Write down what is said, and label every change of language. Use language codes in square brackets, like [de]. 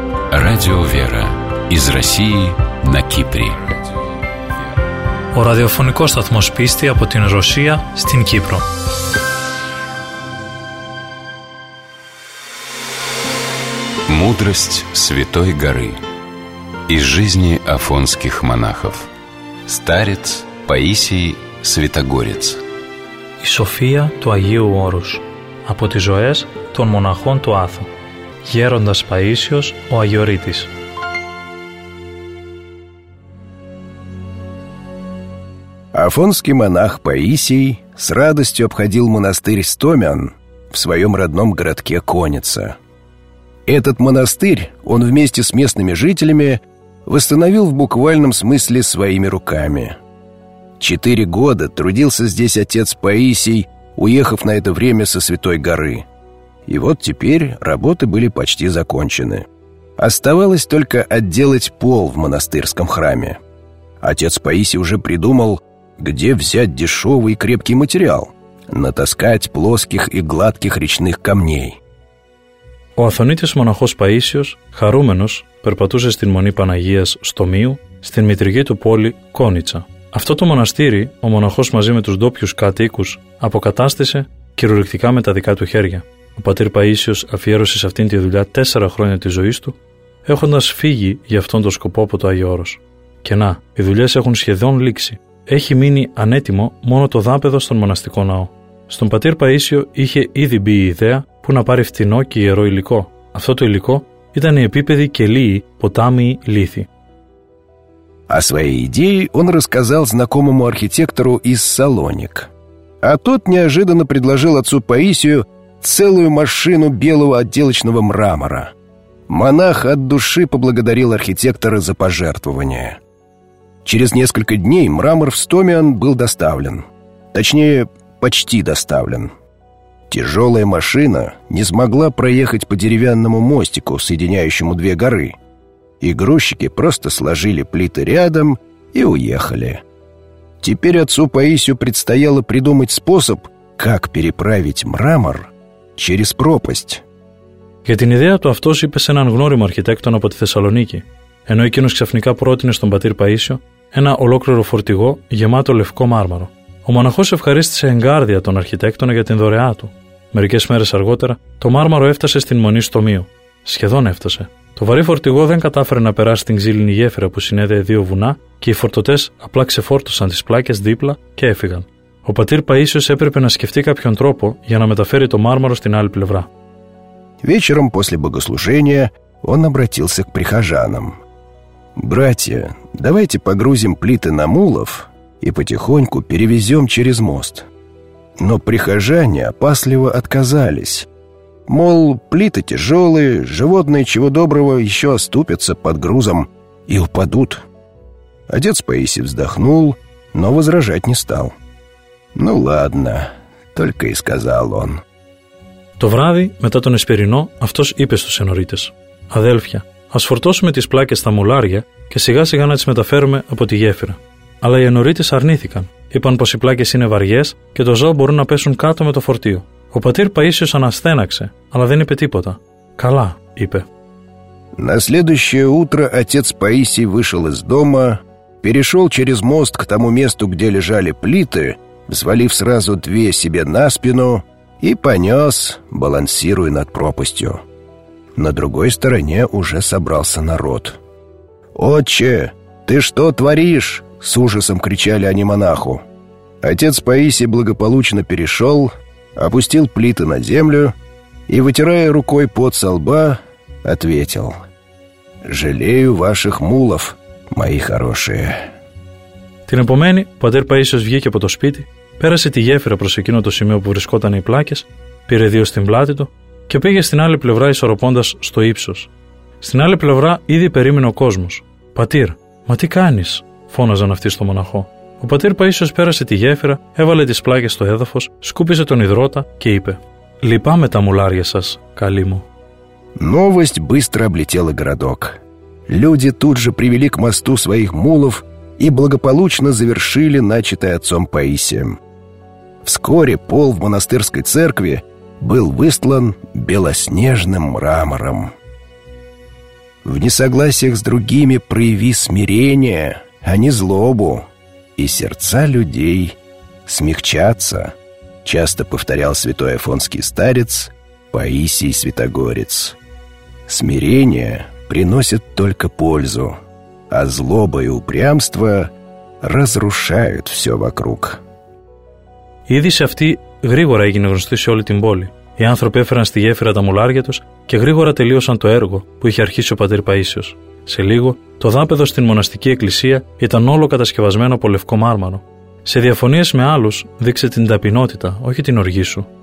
[ru] Радио Вера из России на Кипре. [el] Ο ραδιοφωνικός σταθμός πίστη από την Ρωσία στην Κύπρο. [ru] Мудрость Святой Горы из жизни афонских монахов. Старец Паисий Святогорец. [el] Η Σοφία του Αγίου Όρους. Από τις ζωές των μοναχών του Άθου. Γέροντας Παΐσιος ο Αγιορείτης. [ru] Афонский монах Паисий с радостью обходил монастырь Стомян в своем родном городке Конница. Этот монастырь он вместе с местными жителями восстановил в буквальном смысле своими руками. 4 года трудился здесь отец Паисий, уехав на это время со Святой Горы. И вот теперь работы были почти закончены. Оставалось только отделать пол в монастырском храме. Отец Паисий уже придумал, где взять дешевый и крепкий материал, натаскать плоских и гладких речных камней. [el] Ο Αθωνίτης μοναχός Παΐσιος, χαρούμενος, περπατούσε στην Μονή Παναγίας Στομίου, στην μητρική του πόλη Κόνιτσα. Αυτό το μοναστήρι, ο μοναχός μαζί με τους ντόπιους κατοίκους, αποκατάστησε κυριολεκτικά με τα δικά του χέρια. Ο πατήρ Παΐσιος αφιέρωσε σε αυτήν τη δουλειά 4 χρόνια της ζωής του, έχοντας φύγει για αυτόν τον σκοπό από το Άγιο Όρος. Και να, οι δουλειές έχουν σχεδόν λήξει. Έχει μείνει ανέτοιμο μόνο το δάπεδο στον μοναστικό ναό. Στον πατήρ Παΐσιο είχε ήδη μπει η ιδέα που να πάρει φτηνό και ιερό υλικό. Αυτό το υλικό ήταν η επίπεδη κελίοι, ποτάμιοι λίθοι. [ru] О своей идее он рассказал знакомому архитектору из Салоник. А тот неожиданно предложил отцу Паисию целую машину белого отделочного мрамора. Монах от души поблагодарил архитектора за пожертвование. Через несколько дней мрамор в Стомиан был доставлен. Точнее, почти доставлен. Тяжелая машина не смогла проехать по деревянному мостику, соединяющему две горы. И грузчики просто сложили плиты рядом и уехали. Теперь отцу Паисию предстояло придумать способ, как переправить мрамор через пропасть. [el] Για την ιδέα του αυτός είπε σε έναν γνώριμο αρχιτέκτον από τη Θεσσαλονίκη, ενώ εκείνος ξαφνικά πρότεινε στον πατήρ Παΐσιο ένα ολόκληρο φορτηγό γεμάτο λευκό μάρμαρο. Ο μοναχός ευχαρίστησε εγκάρδια τον αρχιτέκτονα για την δωρεά του. Μερικές μέρες αργότερα, το μάρμαρο έφτασε στην Μονή Στομίου. Σχεδόν έφτασε. Το βαρύ φορτηγό δεν κατάφερε να περάσει την ξύλινη γέφυρα που συνέδεε 2 βουνά και οι φορτωτές απλά ξεφόρτωσαν τις πλάκες δίπλα και έφυγαν. Ο πατήρ Παΐσιος έπρεπε να σκεφτεί κάποιον τρόπο για να μεταφέρει το μάρμαρο στην άλλη πλευρά. [ru] Вечером после богослужения он обратился к прихожанам. «Братья, давайте погрузим плиты на мулов и потихоньку перевезем через мост». Но прихожане опасливо отказались. Мол, плиты тяжелые, животные чего доброго еще оступятся под грузом и упадут. Отец Паисий вздохнул, но возражать не стал. «Ну ладно», — только и сказал он. [el] Το βράδυ, μετά τον Εσπερινό, αυτός είπε στους ενορίτες. «Αδέλφια, ας φορτώσουμε τις πλάκες στα μουλάρια και σιγά σιγά να τις μεταφέρουμε από τη γέφυρα». Αλλά οι ενορίτες αρνήθηκαν. Είπαν πως οι πλάκες είναι βαριές και το ζώο μπορούν να πέσουν κάτω με το φορτίο. Ο πατήρ Παΐσιος αναστέναξε, αλλά δεν είπε τίποτα. «Καλά», είπε. [ru] На следующее утро отец Паисий вышел из дома, перешел через мост к тому месту, где лежали плиты, взвалив сразу 2 себе на спину, и понес, балансируя над пропастью. На другой стороне уже собрался народ. «Отче, ты что творишь?» — с ужасом кричали они монаху. Отец Паисий благополучно перешел, опустил плиты на землю и, вытирая рукой пот со лба, ответил: «Жалею ваших мулов, мои хорошие». [el] Την επομένη, πατέρ Παΐσιος βγήκε από το σπίτι, πέρασε τη γέφυρα προς εκείνο το σημείο που βρισκόταν οι πλάκες, πήρε 2 στην πλάτη του και πήγε στην άλλη πλευρά ισορροπώντας στο ύψος. Στην άλλη πλευρά ήδη περίμενε ο κόσμος. «Πατήρ, μα τι κάνεις?» φώναζαν αυτοί στο μοναχό. Ο πατήρ Παΐσιος πέρασε τη γέφυρα, έβαλε τις πλάκες στο έδαφος, σκούπισε τον υδρότα και είπε: «Λυπάμαι τα μουλάρια σας, καλή μου». [ru] Новость быстро облетела городок. Люди тут же привели к мосту своих мулов и благополучно завершили начатое отцом Паисием. Вскоре пол в монастырской церкви был выстлан белоснежным мрамором. «В несогласиях с другими прояви смирение, а не злобу, и сердца людей смягчатся», часто повторял святой афонский старец Паисий Святогорец. «Смирение приносит только пользу, а злоба и упрямство разрушают все вокруг». [el] Η είδηση αυτή γρήγορα έγινε γνωστή σε όλη την πόλη. Οι άνθρωποι έφεραν στη γέφυρα τα μουλάρια τους και γρήγορα τελείωσαν το έργο που είχε αρχίσει ο πατήρ Παΐσιος. Σε λίγο, το δάπεδο στην μοναστική εκκλησία ήταν όλο κατασκευασμένο από λευκό μάρμαρο. Σε διαφωνίες με άλλους, δείξε την ταπεινότητα, όχι την οργή σου.